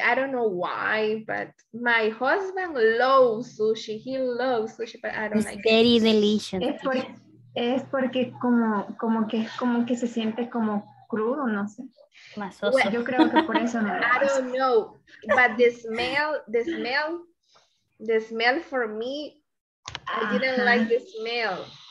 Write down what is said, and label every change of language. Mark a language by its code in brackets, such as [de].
[en] I don't know why, but my husband loves sushi. He loves sushi, but I don't like it. It's very delicious. [es] Es porque como que se siente como crudo, no sé. [en] Well, [es] yo creo que por eso no. [en] I don't know, but the smell for me, I didn't like the smell.